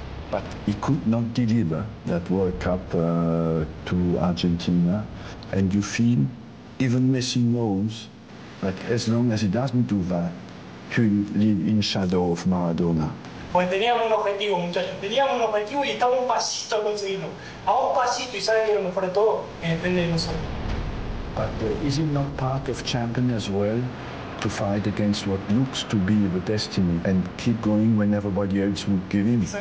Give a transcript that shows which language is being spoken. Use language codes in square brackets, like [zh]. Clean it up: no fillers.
[en] But he could not deliver that World Cup to Argentina. And you feel, even Messi knows, that as long as he doesn't do that, he will live in shadow of Maradona. [es] Pues teníamos un objetivo, muchachos. Teníamos un objetivo y estamos un pasito a conseguirlo. A un pasito y saben que lo mejor de todo depende de nosotros. [en] But is it not part of champion as well to fight against what looks to be the destiny and keep going when everybody else would give in.